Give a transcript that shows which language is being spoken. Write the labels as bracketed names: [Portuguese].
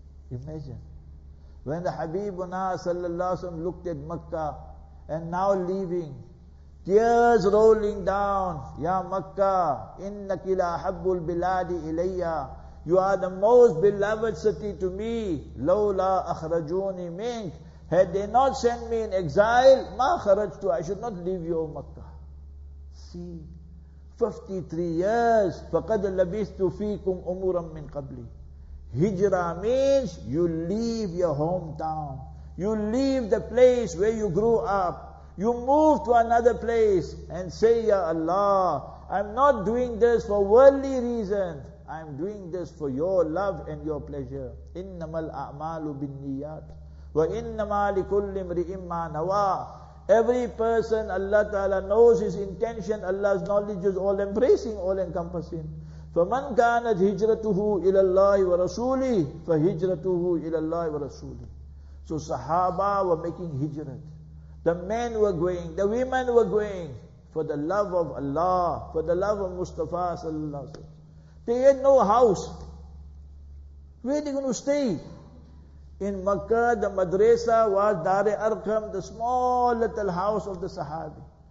[English] Imagine. When the Habibuna sallallahu alaihi wasallam looked at Makkah and now leaving, tears rolling down, [Arabic] Ya Makkah, innaki la habbul biladi ilayya, [English] you are the most beloved city to me, [Arabic] lawla akhrajuni mink, [English] had they not sent me in exile, [Arabic] ma kharajtu, [English] I should not leave you, O Makkah. See, 53 years, [Arabic] فَقَدْ لَبِثْتُ فِيكُمْ أُمُورًا مِّنْ قَبْلِ. [English] Hijrah means you leave your hometown. You leave the place where you grew up. You move to another place and say, Ya Allah, I'm not doing this for worldly reasons. I'm doing this for your love and your pleasure. [Arabic] إِنَّمَا الْأَعْمَالُ بِالنِّيَّاتِ وَإِنَّمَا لِكُلِّ امْرِئٍ مَّا نَوَى. [English] Every person, Allah Ta'ala knows his intention, Allah's knowledge is all-embracing, all-encompassing. [Arabic] فَمَنْ كَانَتْ هِجْرَتُهُ إِلَى اللَّهِ وَرَسُولِهِ فَهِجْرَتُهُ إِلَى اللَّهِ وَرَسُولِهِ. [English] So Sahaba were making hijrat. The men were going, the women were going for the love of Allah, for the love of Mustafa sallallahu alaihi wasallam. They had no house. Where are they going to stay? In Makkah, the madrasa was Dar-e Arqam, the small little house of the Sahabi.